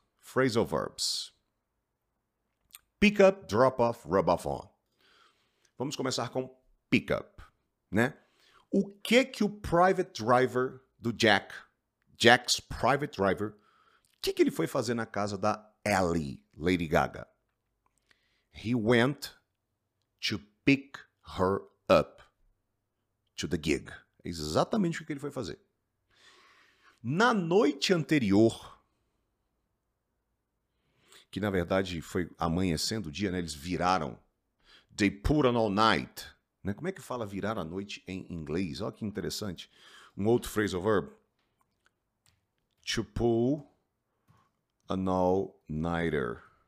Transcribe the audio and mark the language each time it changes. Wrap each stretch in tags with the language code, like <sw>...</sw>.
<en>Phrasal verbs. Pick up, drop off, rub off on.</en> <pt>Vamos começar com pick up, né? O que o private driver do</pt> <en>Jack's private driver,</en> <pt>o que ele foi fazer na casa da Ellie, Lady Gaga?</pt> <en>He went to pick her up to the gig.</en> <pt>Exatamente o que ele foi fazer. Na noite anterior, que na verdade foi amanhecendo o dia, né? Eles viraram.</pt> <en>They put on all night.</en> <pt>Né? Como é que fala virar a noite em inglês? Olha que interessante. Um outro</pt> <en>phrasal verb. To pull an all-nighter.</en>